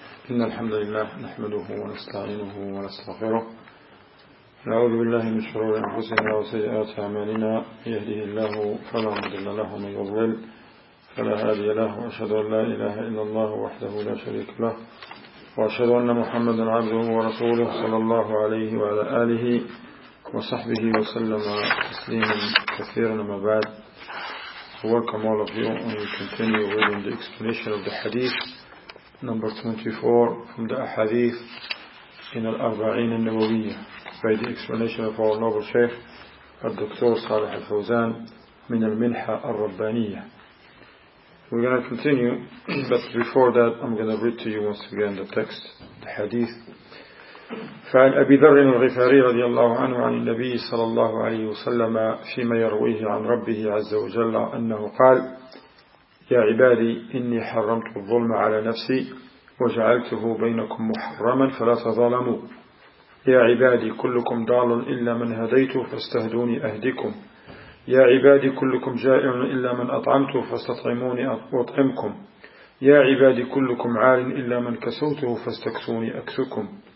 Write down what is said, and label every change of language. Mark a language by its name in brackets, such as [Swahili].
[Arabic] إن الحمد لله نحمده ونستعينه ونستغفره نعوذ بالله من شرور أنفسنا وسيئات أعمالنا يهده الله فلا مضل له ومن يضلل فلا هادي له وأشهد أن لا إله إلا الله وحده لا شريك له وأشهد أن محمدا عبده ورسوله صلى الله عليه وعلى آله وصحبه وسلم تسليما كثيرا ما بعد. [English] Welcome all of you, and we continue reading the explanation of the hadith number 24 from the Ahadith in Al-Arba'in al-Nawawiyya by the explanation of our noble Shaykh, Dr. Salih al-Fawzan, min al-Minha al-Rabbaniyya. We're going to continue, but before that I'm going to read to you once again the text, the Hadith. [Arabic] فعن أبي ذر الغفاري رضي الله عنه عن النبي صلى الله عليه وسلم فيما يرويه عن ربه عز وجل أنه قال يا عبادي إني حرمت الظلم على نفسي وجعلته بينكم محرما فلا تظلموا يا عبادي كلكم ضال إلا من هديته فاستهدوني أهدكم يا عبادي كلكم جائع إلا من أطعمته فاستطعموني أطعمكم يا عبادي كلكم عار إلا من كسوته فاستكسوني أكسكم